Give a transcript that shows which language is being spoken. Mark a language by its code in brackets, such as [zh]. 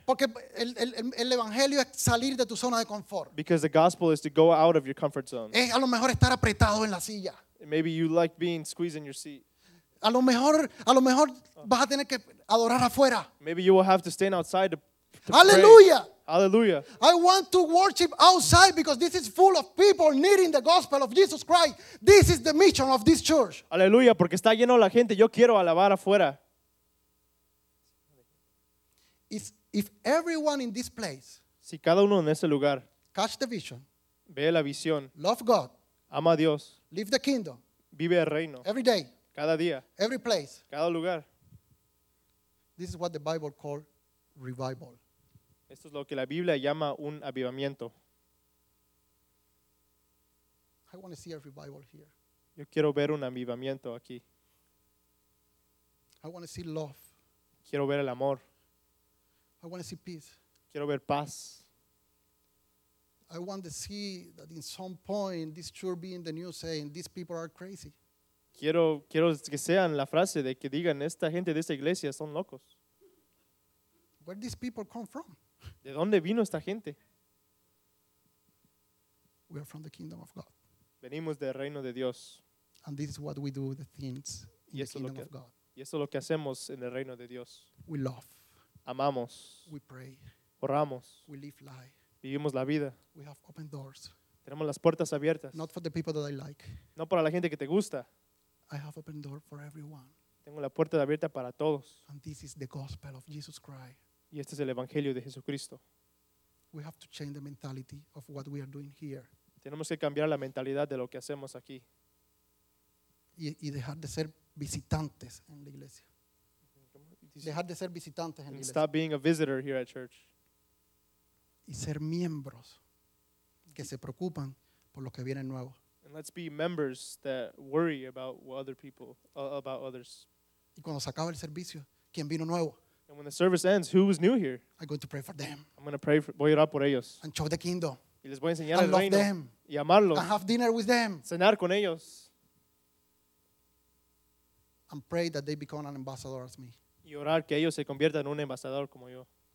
[es] Porque el evangelio es salir de tu zona de confort. [en] Because the gospel is to go out of your comfort zone. [es] Es a lo mejor estar apretado en la silla. [en] Maybe you like being squeezed in your seat. [es] A lo mejor vas a tener que adorar afuera. [en] Maybe you will have to stand outside to Hallelujah. Pray. Hallelujah. I want to worship outside because this is full of people needing the gospel of Jesus Christ. This is the mission of this church. [es] Hallelujah, porque está lleno la gente. Yo quiero alabar afuera. [en] If everyone in this place, [es] si cada uno en ese lugar, [en] catch the vision, [es] ve la visión, [en] love God, [es] ama a Dios, [en] live the kingdom, [es] vive el reino, [en] every day, [es] cada día, [en] every place, [es] cada lugar. [en] This is what the Bible calls revival. [es] Esto es lo que la Biblia llama un avivamiento. [en] I want to see a revival here. [es] Yo quiero ver un avivamiento aquí. [en] I want to see love. [es] Quiero ver el amor. [en] I want to see peace. [es] Quiero ver paz. [en] I want to see that in some point this should be in the news saying these people are crazy. [es] Quiero que sean la frase de que digan esta gente de esta iglesia son locos. [en] Where these people come from? [es] ¿De dónde vino esta gente? [en] We are from the kingdom of God. [es] Venimos del reino de Dios. [en] And this is what we do with the things in the kingdom of God. [es] Y eso es lo que hacemos en el reino de Dios. [en] We love. [es] Amamos. [en] We pray. [es] Oramos. [en] We live life. [es] Vivimos la vida. [en] We have open doors. [es] Tenemos las puertas abiertas. [en] Not for the people that I like. [es] No para la gente que te gusta. [en] I have open door for everyone. [es] Tengo la puerta abierta para todos. [en] And this is the gospel of Jesus Christ. [es] Y este es el evangelio de Jesucristo. [en] We have to change the mentality of what we are doing here. [es] Tenemos que cambiar la mentalidad de lo que hacemos aquí. Y dejar de ser visitantes en la iglesia. Dejar de ser visitantes en la iglesia. [en] Stop being a visitor here at church. [es] Y ser miembros que se preocupan por lo que viene nuevo. [en] And let's be members that worry about what other people, about others. [es] Y cuando se acaba el servicio, ¿quién vino nuevo? [en] And when the service ends, who is new here? I'm going to pray for them. I'm going to pray for, [es] voy a orar por ellos. [en] And show the kingdom. [es] Y les voy a enseñar el reino. [en] Them. [es] Y amarlos. [en] And have dinner with them. [es] Cenar con ellos. [en] And pray that they become an ambassador as me. [es] Y orar que ellos se conviertan en un embajador como yo.